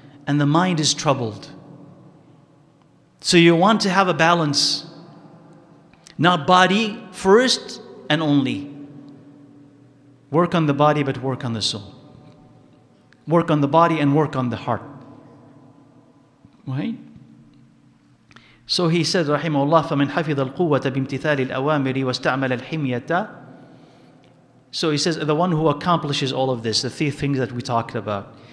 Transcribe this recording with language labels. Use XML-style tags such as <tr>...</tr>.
<en>And the mind is troubled. So you want to have a balance. Not body first and only. Work on the body, but work on the soul. Work on the body and work on the heart. Right? So he said,</en> <ar>Rahimahullah, فَمَنْ حَفِظَ الْقُوَّةَ بِامْتِثَالِ الْأَوَامِرِ وَاسْتَعْمَلَ الْحِمْيَةَ.</ar> <en>So he says, the one who accomplishes all of this, the three things that we talked about.</en>